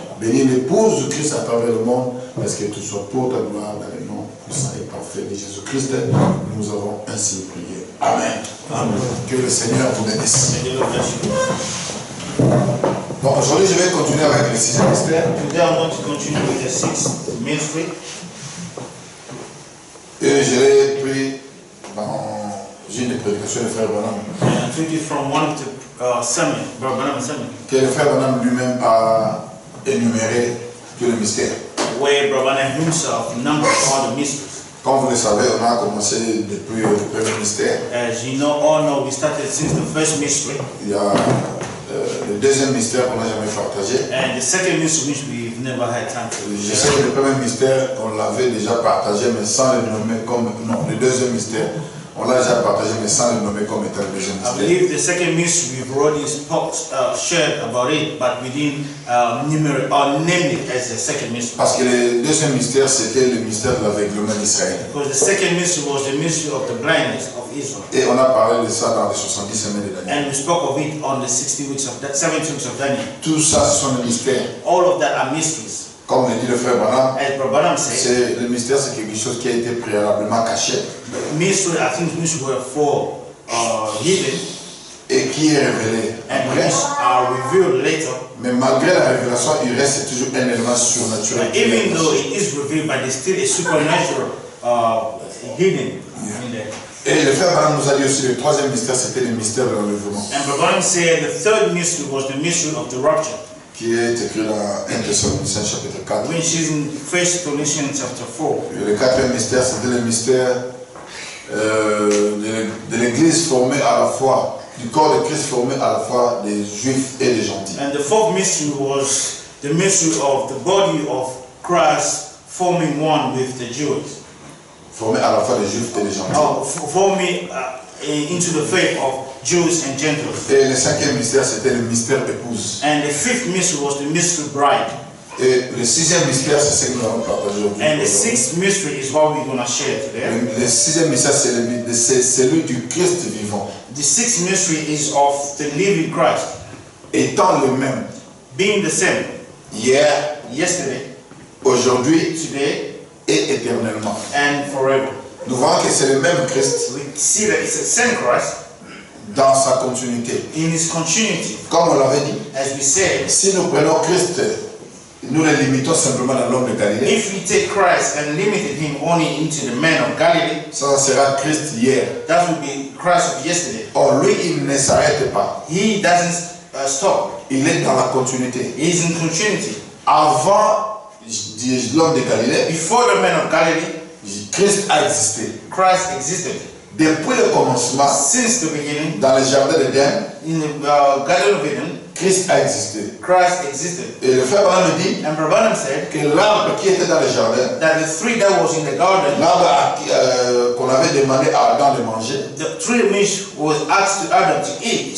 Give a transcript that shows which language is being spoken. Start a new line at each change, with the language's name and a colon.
French: Béni l'épouse du Christ à travers le monde, parce que tu sois pour ta gloire dans le nom puissant et parfait de Jésus-Christ. Nous avons ainsi prié. Amen. Amen. Que le Seigneur vous bénisse. Bon, aujourd'hui, je vais continuer avec le sixième mystère.
English: Today I'm going to continue with the sixth mystery.
French: Et je l'ai pris dans une des prédications de Frère Branham.
English: I took it from one of the sermons.
French: Que le Frère Branham lui-même a énuméré tout le mystère.
English: Where Brother Branham himself numbered all the mysteries.
French: Comme vous le savez, on a commencé depuis le premier mystère.
English: As you know, all know, we started since the first mystery.
French: Il y a le deuxième mystère qu'on n'a jamais partagé.
English: And the second mystery which we've never had time to.
French: Je sais que le premier mystère, on l'avait déjà partagé, mais sans le nommer comme. Non, le deuxième mystère, on l'a déjà partagé, mais sans le nommer comme étant le deuxième mystère.
English: I believe the second mystery we've already shared about it, but we didn't name it as the second mystery.
French: Parce que le deuxième mystère, c'était le mystère de l'aveuglement d'Israël.
English: Because the second mystery was the mystery of the blindness of Israel.
French: Et on a parlé de ça dans les 70 semaines de Daniel.
English: And we spoke of it on the 60 weeks of that, 70 weeks of Daniel.
French: Tout ça, ce sont des mystères.
English: All of that are mysteries.
French: Comme le dit le frère Branham,
English: as Brother Branham said,
French: c'est le mystère, c'est quelque chose qui a été préalablement caché.
English: Mystery, I think mystery were for hidden.
French: Et qui est révélé.
English: And which are revealed later.
French: Mais malgré la révélation, il reste toujours un élément surnaturel.
English: But even though it is revealed, but it's still a supernatural hidden. Yeah. In there.
French: Et le frère Branham nous a dit aussi le troisième mystère, c'était le mystère de l'enlèvement.
English: And Brother Branham said the third mystery was the mystery of the rupture.
French: Qui est écrit dans 1 Thessaloniciens chapitre 4.
English: Which is in 1 Thessaloniciens chapitre 4.
French: Et le quatrième mystère, c'était le mystère de l'Église formée à la fois, du corps de Christ formé à la fois des Juifs et des Gentils.
English: And the fourth mystery was the mystery of the body of Christ forming one with the Jews.
French: Formé à la fois des Juifs et des Gentils.
English: Into the faith of Jews and Gentiles.
French: Et le cinquième mystère, c'était le mystère épouse.
English: And the fifth mystery was the mystery bride.
French: Et le sixième mystère, c'est ce que nous allons partager aujourd'hui.
English: And the sixth mystery is what we're going to share today.
French: Le sixième mystère, c'est celui du Christ vivant.
English: The sixth mystery is of the living Christ.
French: Étant le même.
English: Being the same.
French: Hier.
English: Yesterday.
French: Aujourd'hui.
English: Today.
French: Et éternellement.
English: And forever.
French: Nous voyons que c'est le même Christ.
English: We see that it's the same Christ.
French: Dans sa continuité.
English: In his continuity.
French: Comme on l'avait dit.
English: As we said.
French: Si nous prenons Christ, nous le limitons simplement à l'homme de Galilée.
English: If we take Christ and limited him only into the man of Galilee.
French: Ça sera Christ hier.
English: That would be Christ of yesterday.
French: Or lui, il ne s'arrête pas.
English: He doesn't stop.
French: Il est dans la continuité.
English: He is in continuity.
French: Avant l'homme de Galilée.
English: Before the man of Galilee.
French: Christ a existé.
English: Christ existed.
French: Depuis le commencement,
English: since the beginning,
French: dans le jardin d'Eden,
English: in the garden of Eden,
French: Christ a existé.
English: Christ existed.
French: Et le frère Branham dit,
English: and Brother Branham said,
French: que l'arbre qui était dans le jardin,
English: that the tree that was in the garden,
French: l'arbre qu'on avait demandé à Adam de manger,
English: the tree which was asked to Adam to eat,